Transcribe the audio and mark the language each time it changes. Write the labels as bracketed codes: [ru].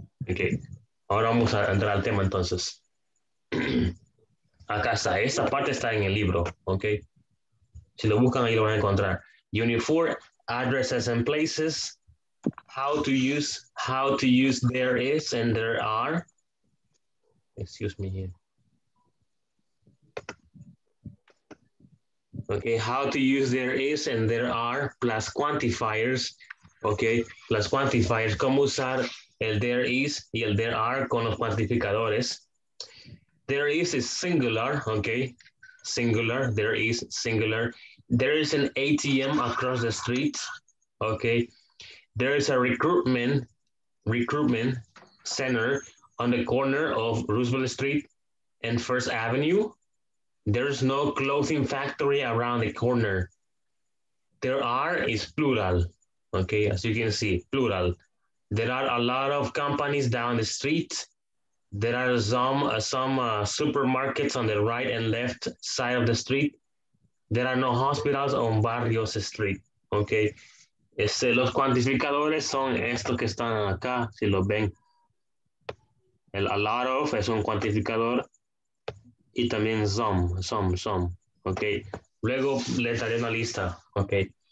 [es] Okay, ahora vamos a entrar al tema entonces. Acá está, esta parte está en el libro, okay. Si lo buscan ahí lo van a encontrar. [en] Unit 4, addresses and places, how to use there is and there are. Excuse me here. Okay, how to use there is and there are plus quantifiers. [es] Okay, [en] plus quantifiers. [es] ¿Cómo usar el there is y el there are con los cuantificadores? [en] There is singular, okay. Singular, there is singular. There is an ATM across the street, okay. There is a recruitment center on the corner of Roosevelt Street and First Avenue. There's no clothing factory around the corner. There are is plural. Okay, as you can see, plural. There are a lot of companies down the street. There are some supermarkets on the right and left side of the street. There are no hospitals on Barrios Street. [es] Okay, los cuantificadores son estos que están acá, si lo ven. El a lot of es un cuantificador. Y también some, okay. Luego les daré una lista, okay.